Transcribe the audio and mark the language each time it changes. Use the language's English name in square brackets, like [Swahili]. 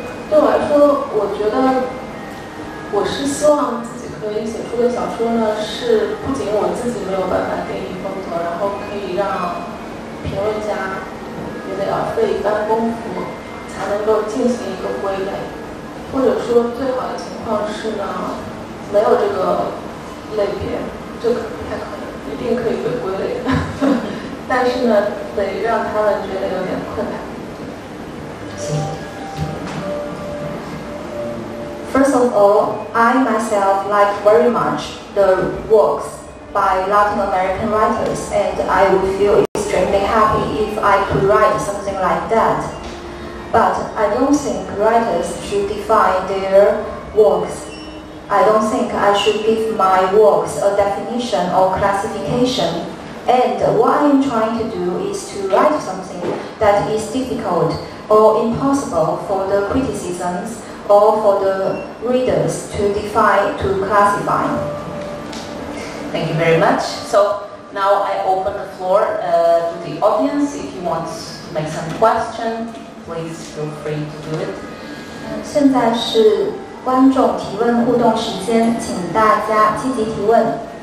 [Chinese] 对我来说，我觉得我是希望自己可以写出的小说呢，是不仅我自己没有办法定义风格，然后可以让评论家也得要费一番功夫才能够进行一个归类，或者说最好的情况是呢，没有这个类别，这可不太可能，一定可以被归类的，但是呢，得让他们觉得有点困难。 [English] First of all, I myself like very much the works by Latin American writers, and I would feel extremely happy if I could write something like that. But I don't think writers should define their works. I don't think I should give my works a definition or classification. And what I am trying to do is to write something that is difficult or impossible for the criticisms. Or for the readers to define, to classify. Thank you very much. So now I open the floor to the audience. If you want to make some question, please feel free to do it. [Chinese] 现在是观众提问互动时间，请大家积极提问。